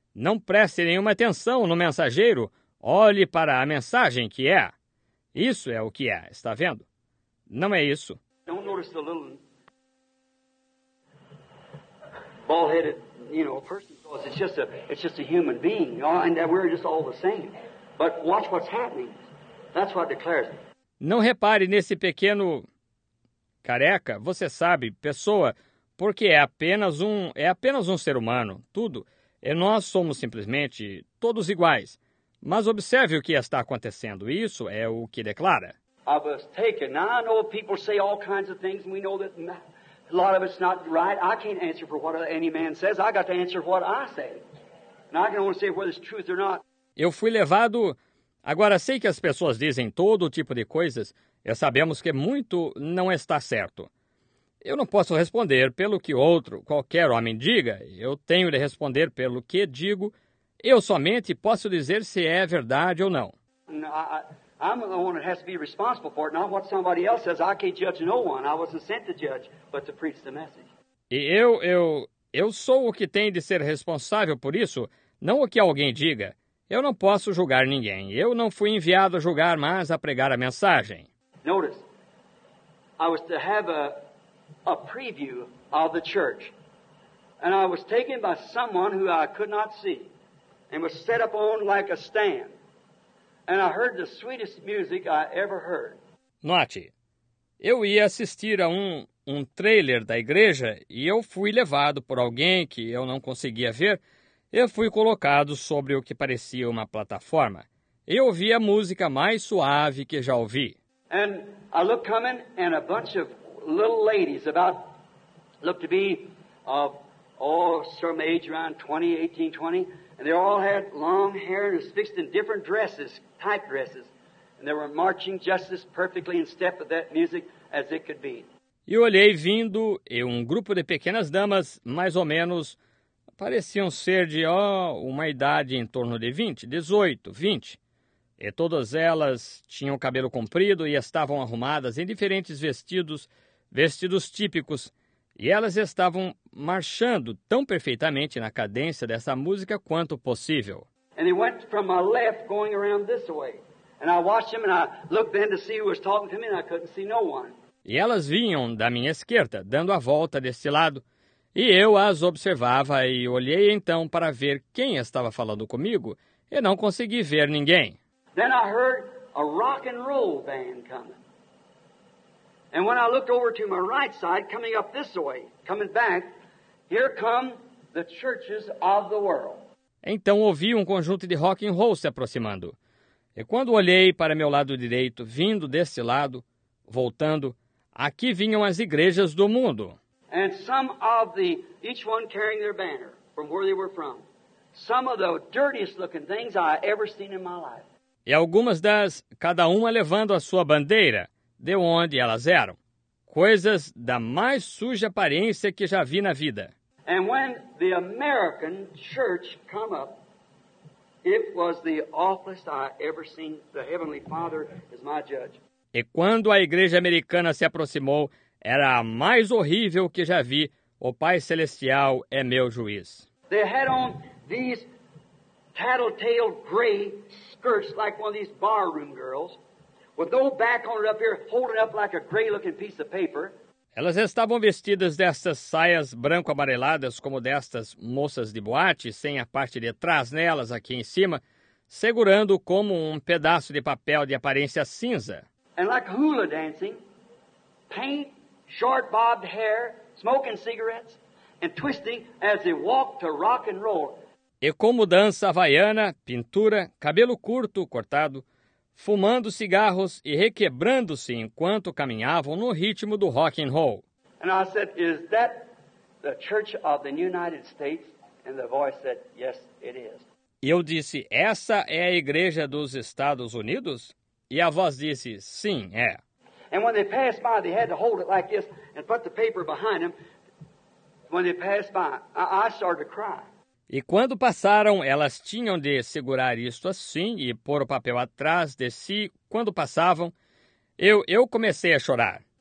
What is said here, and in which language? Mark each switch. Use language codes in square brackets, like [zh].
[pt] Não preste nenhuma atenção no mensageiro. Olhe para a mensagem que é. Isso é o que é. Está vendo? Não é isso. [en] Don't notice the little bald-headed, you know, person. It's just a human being. And we're just all the same. But watch what's happening. That's what declares it. [pt] Não repare nesse pequeno careca, você sabe, pessoa, porque é apenas um ser humano, tudo. E nós somos simplesmente todos iguais. Mas observe o que está acontecendo. Isso é o que declara. [en] I was taken. Now I know people say all kinds of things, and we know that a lot of it's not right. I can't answer for what any man says. I got to answer what I say. And I can only say whether it's truth or not. [pt] Eu fui levado. Agora sei que as pessoas dizem todo tipo de coisas, e sabemos que muito não está certo. Eu não posso responder pelo que outro, qualquer homem diga, eu tenho de responder pelo que digo, eu somente posso dizer se é verdade ou não. [en] I'm the one that has to be responsible for it, not what somebody else says. I can't judge no one. I wasn't sent to judge, but to preach the message. [pt] E eu sou o que tem de ser responsável por isso, não o que alguém diga. Eu não posso julgar ninguém. Eu não fui enviado a julgar, mas a pregar a mensagem. [en] Notice, I was to have a preview of the church. And I was taken by someone who I could not see. And was set up on like a stand. And I heard the sweetest music I ever heard. [pt] Note, eu ia assistir a um trailer da igreja e eu fui levado por alguém que eu não conseguia ver. Eu fui colocado sobre o que parecia uma plataforma. Eu ouvi a música mais suave que já ouvi. [en] And I looked coming, and a bunch of little ladies about looked to be of some age around 20, 18, 20, and they all had long hair and was fixed in different dresses, tight dresses, and they were marching just as perfectly in step with that music as it could be. [pt] E olhei vindo e um grupo de pequenas damas, mais ou menos. Pareciam ser de, uma idade em torno de 20, 18, 20. E todas elas tinham cabelo comprido e estavam arrumadas em diferentes vestidos típicos. E elas estavam marchando tão perfeitamente na cadência dessa música quanto possível. E eles foram para o meu lado, [en] going around this way. And I watched them and I looked then to see who was talking to me and I couldn't see no one. [pt] E elas vinham da minha esquerda, dando a volta desse lado. E eu as observava e olhei então para ver quem estava falando comigo e não consegui ver ninguém. [en] Then I heard a rock and roll band coming. And when I looked over to my right side, coming up this way, coming back, here come the churches of the world. [pt] Então ouvi um conjunto de rock and roll se aproximando. E quando olhei para meu lado direito, vindo desse lado, voltando, aqui vinham as igrejas do mundo. [en] And some of the, each one carrying their banner from where they were from. Some of the dirtiest looking things I ever seen in my life. [pt] E algumas das, cada uma levando a sua bandeira, de onde elas eram. Coisas da mais suja aparência que já vi na vida. [en] And when the American church come up, it was the awfulest I ever seen. The Heavenly Father is my judge. [pt] E quando a igreja americana se aproximou, era a mais horrível que já vi. O Pai Celestial é meu juiz. [en] They had on these tattletale gray skirts like one of these barroom girls, with no back on it up here, holding up like a gray-looking piece of paper. [pt] Elas estavam vestidas dessas saias branco-amareladas como destas moças de boate, sem a parte de trás nelas aqui em cima, segurando como um pedaço de papel de aparência cinza. [en] And like hula dancing, paint. Short bobbed hair, smoking cigarettes, and twisting as they walked to rock and roll. [pt] E como dança havaiana, pintura, cabelo curto, cortado, fumando cigarros e requebrando-se enquanto caminhavam no ritmo do rock and roll. [en] And I said, is that the church of the United States? And the voice said, yes, it is. [pt] E eu disse, essa é a igreja dos Estados Unidos? E a voz disse, sim, é. [en] And when they passed by, they had to hold it like this and put the paper behind them. When they passed by, I started to cry. [pt] E quando passaram, elas tinham de segurar isto assim e pôr o papel atrás de si. Quando passavam, eu comecei a chorar.